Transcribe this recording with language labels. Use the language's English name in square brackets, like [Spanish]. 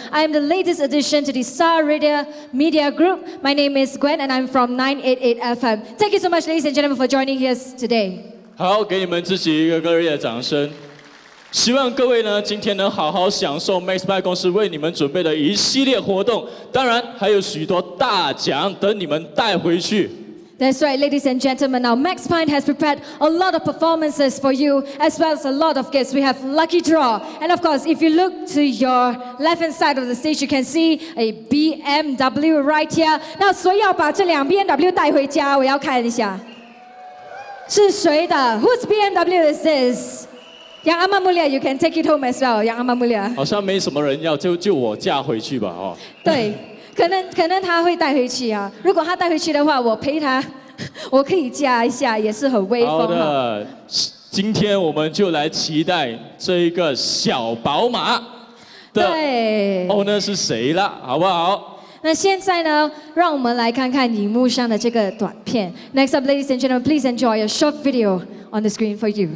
[English] I am the latest addition to the Star Radio Media Group. My name is Gwen, and I'm from 988 FM. Thank you so much, ladies and gentlemen, for joining us today. [Chinese] 好，给你们自己一个热烈的掌声。希望各位呢今天能好好享受 MaxFine 公司为你们准备的一系列活动，当然还有许多大奖等你们带回去。 [English] That's right, ladies and gentlemen. Now MaxFine has prepared a lot of performances for you, as well as a lot of gifts. We have lucky draw, and of course, if you look to your left-hand side of the stage, you can see a BMW right here. [Chinese] 那所以要把这辆 BMW 带回家，我要看一下是谁的。 [English] Whose BMW is this? 杨阿妈穆利亚 ，you can take it home as well， 杨阿妈穆利亚。 [Chinese] 好像没什么人要，就我嫁回去吧，哦。对，可能他会带回去啊。如果他带回去的话，我陪他，我可以嫁一下，也是很威风。好的，今天我们就来期待这一个小宝马的 owner 是谁了，好不好？那现在呢，让我们来看看荧幕上的这个短片。 [English] Next up, ladies and gentlemen, please enjoy a short video on the screen for you.